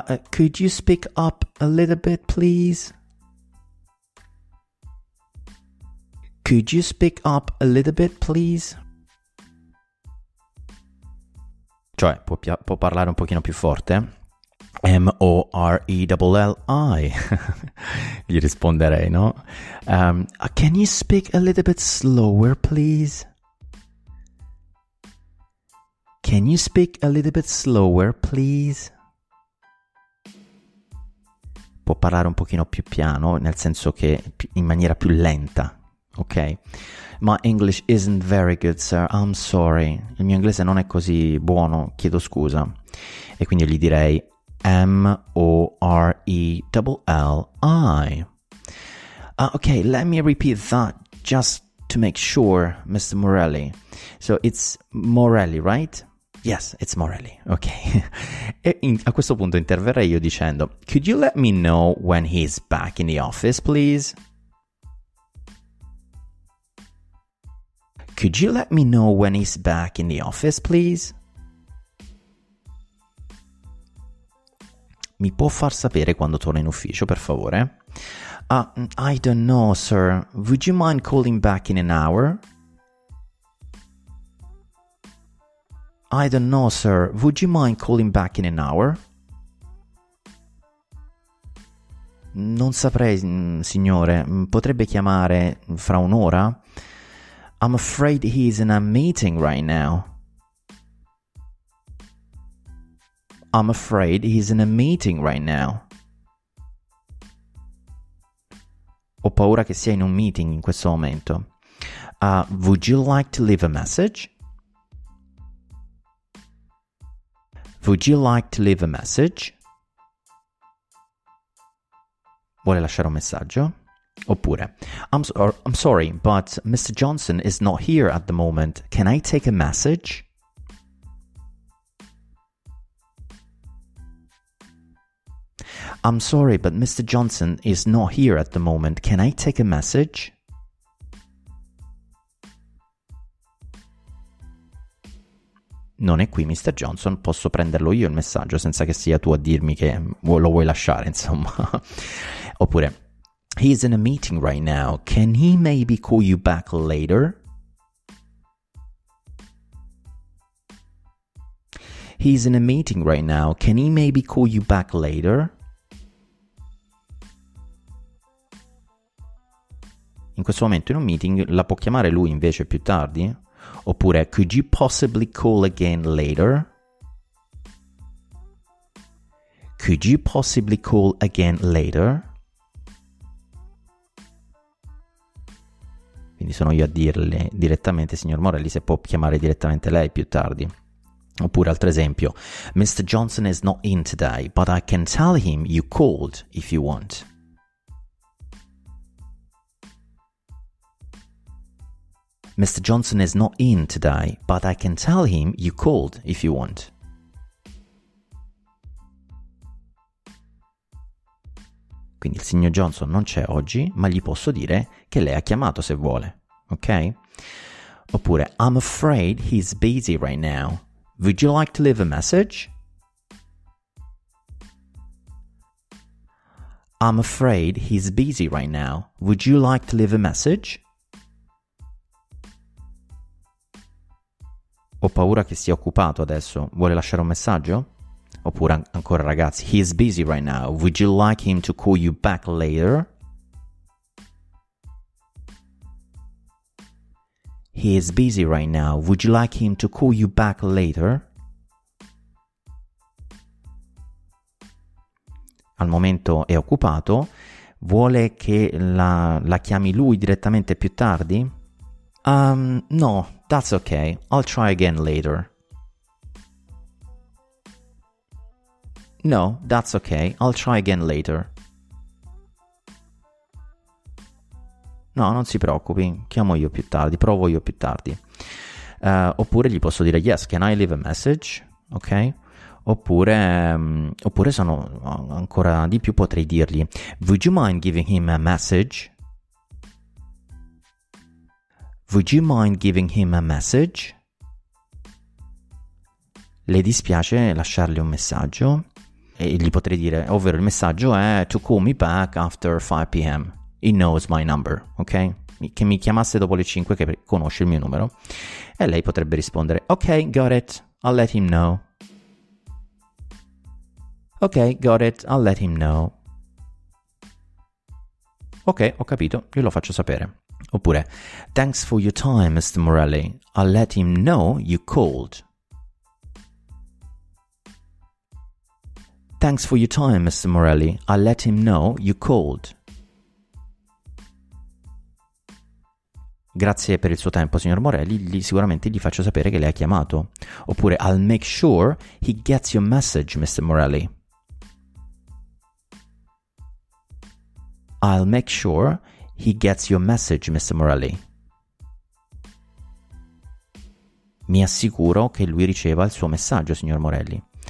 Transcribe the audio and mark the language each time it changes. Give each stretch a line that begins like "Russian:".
English: Could you speak up a little bit, please? Could you speak up a little bit, please?
Italian: Cioè, può parlare un pochino più forte? M-O-R-E-L-L-I. Gli risponderei, no?
English: Can you speak a little bit slower, please? Can you speak a little bit slower, please?
Italian: Può parlare un pochino più piano, nel senso che in maniera più lenta, ok?
English: My English isn't very good, sir. I'm sorry.
Italian: Il mio inglese non è così buono, chiedo scusa. E quindi gli direi M-O-R-E-L-L-I.
English: Okay, let me repeat that just to make sure, Mr. Morelli. So it's Morelli, right? Yes, it's Morelli. Okay.
Italian: E a questo punto interverrei io dicendo,
English: could you let me know when he's back in the office, please? Could you let me know when he's back in the office, please?
Italian: Mi può far sapere quando torna in ufficio, per favore?
English: I don't know, sir. Would you mind calling back in an hour? I don't know, sir. Would you mind calling back in an hour?
Italian: Non saprei, signore. Potrebbe chiamare fra un'ora?
English: I'm afraid he's in a meeting right now. I'm afraid he's in a meeting right now.
Italian: Ho paura che sia in un meeting in questo momento.
English: Would you like to leave a message? Would you like to leave a message?
Italian: Vuole lasciare un messaggio? Oppure,
English: I'm sorry, but Mr. Johnson is not here at the moment. Can I take a message? I'm sorry, but Mr. Johnson is not here at the moment. Can I take a message?
Italian: Non è qui Mr. Johnson, posso prenderlo io il messaggio senza che sia tu a dirmi che lo vuoi lasciare, insomma. Oppure,
English: he is in a meeting right now. Can he maybe call you back later? He is in a meeting right now. Can he maybe call you back later?
Italian: In questo momento in un meeting, la può chiamare lui invece più tardi? Oppure,
English: could you possibly call again later? Could you possibly call again later?
Italian: Quindi sono io a dirle direttamente, signor Morelli, se può chiamare direttamente lei più tardi. Oppure, altro esempio,
English: Mr. Johnson is not in today, but I can tell him you called if you want. Mr. Johnson is not in today, but I can tell him you called if you want.
Italian: Quindi il signor Johnson non c'è oggi, ma gli posso dire che lei ha chiamato se vuole, ok? Oppure,
English: I'm afraid he's busy right now. Would you like to leave a message? I'm afraid he's busy right now. Would you like to leave a message?
Italian: Ho paura che sia occupato adesso. Vuole lasciare un messaggio? Oppure ancora ragazzi,
English: he is busy right now. Would you like him to call you back later? He is busy right now. Would you like him to call you back later?
Italian: Al momento è occupato. Vuole che la chiami lui direttamente più tardi?
English: No, that's okay. I'll try again later. No, that's okay. I'll try again later.
Italian: No, non si preoccupi. Chiamo io più tardi. Provo io più tardi. Oppure gli posso dire
English: yes, can I leave a message? Ok?
Italian: Oppure sono ancora di più, potrei dirgli
English: would you mind giving him a message? Would you mind giving him a message?
Italian: Le dispiace lasciargli un messaggio? E gli potrei dire, ovvero il messaggio è
English: to call me back after 5 p.m. He knows my number, ok?
Italian: che mi chiamasse dopo le 5, che conosce il mio numero. E lei potrebbe rispondere,
English: ok, got it, I'll let him know. Ok, got it, I'll let him know.
Italian: Ok, ho capito, glielo faccio sapere. Oppure,
English: thanks for your time, Mr. Morelli. I'll let him know you called. Thanks for your time, Mr. Morelli. I'll let him know you called.
Italian: Grazie per il suo tempo, signor Morelli. Sicuramente gli faccio sapere che lei ha chiamato. Oppure,
English: I'll make sure he gets your message, Mr. Morelli. I'll make sure he gets your message, Mr. Morelli.
Italian: Mi assicuro che lui riceva il suo messaggio, signor Morelli.